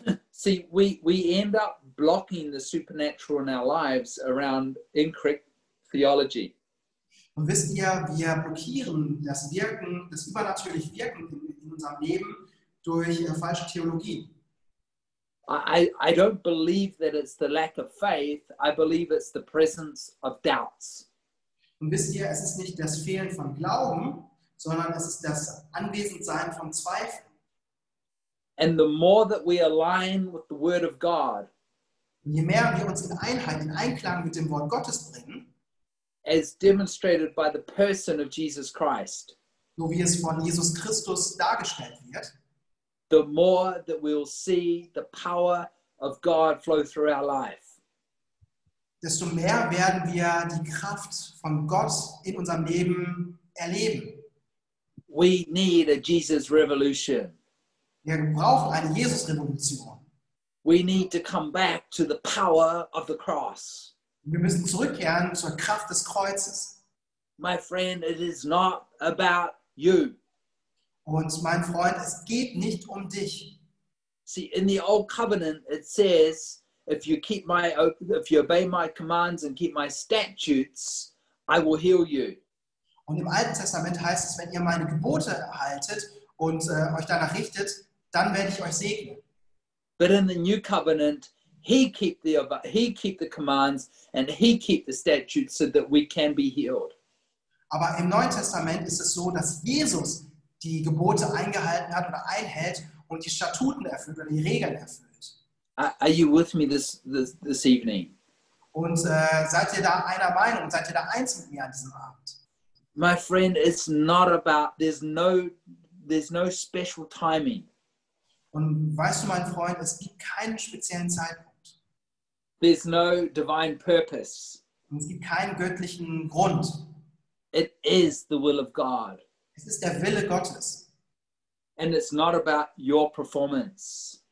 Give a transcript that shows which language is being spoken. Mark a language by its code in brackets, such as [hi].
[en] See, we end up blocking the supernatural in our lives around incorrect theology. [de] Und wisst ihr, wir blockieren das Wirken, das übernatürlich Wirken in unserem Leben durch falsche Theologie. [en] I don't believe that it's the lack of faith. I believe it's the presence of doubts. [de] Und wisst ihr, es ist nicht das Fehlen von Glauben, sondern es ist das Anwesendsein von Zweifeln. [en] And the more that we align with the Word of God, [de] je mehr wir uns in Einheit, in Einklang mit dem Wort Gottes bringen, [en] as demonstrated by the person of Jesus Christ, [de] so wie es von Jesus Christus dargestellt wird, [en] the more that we'll see the power of God flow through our life. [de] Desto mehr werden wir die Kraft von Gott in unserem Leben erleben. [en] We need a Jesus revolution. [de] Wir brauchen eine Jesus Revolution. [en] We need to come back to the power of the cross. [de] Wir müssen zurückkehren zur Kraft des Kreuzes. [en] My friend, it is not about you. [de] Und mein Freund, es geht nicht um dich. [en] See, in the old covenant it says, if you keep my, if you obey my commands and keep my statutes, I will heal you. [de] Und im Alten Testament heißt es, wenn ihr meine Gebote erhaltet und euch danach richtet, dann werde ich euch segnen. [en] But in the new covenant, he keep the commands and he keep the statutes so that we can be healed. [de] Aber im Neuen Testament ist es so, dass Jesus die Gebote eingehalten hat oder einhält und die Statuten erfüllt oder die Regeln erfüllt. [en] Are you with me this evening? [de] Und seid ihr da einer Meinung? Seid ihr da eins mit mir an diesem Abend? [en] My friend, it's not about, there's no special timing. [de] Und weißt du, mein Freund, es gibt keinen speziellen Zeitpunkt. [en] There's no divine purpose. [de] Und es gibt keinen göttlichen Grund. [en] It is the will of God. [de] Es ist der Wille Gottes. [en] And it's not about your performance.